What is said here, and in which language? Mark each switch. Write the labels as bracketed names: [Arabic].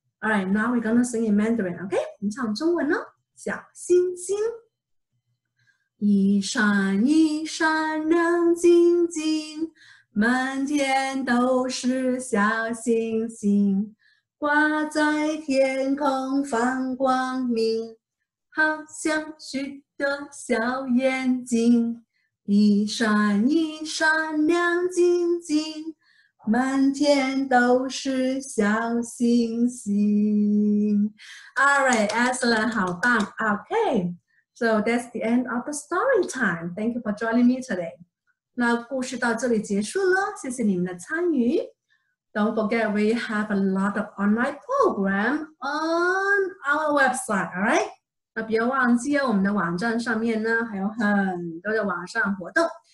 [English] Alright, now we're gonna sing in Mandarin, okay? [Chinese] 我们唱中文哦。小星星。一闪一闪亮晶晶，满天都是小星星。挂在天空放光明，好像许多小眼睛，一闪一闪亮晶晶，满天都是小星星。 [English] All right, excellent, [Chinese] 好棒。 [English] Okay, so that's the end of the story time. Thank you for joining me today. [Chinese] 那故事到这里结束了，谢谢你们的参与。 [English] Don't forget, we have a lot of online program on our website, all right? [Chinese] 那别忘记哦，我们的网站上面呢，还有很多的网上活动。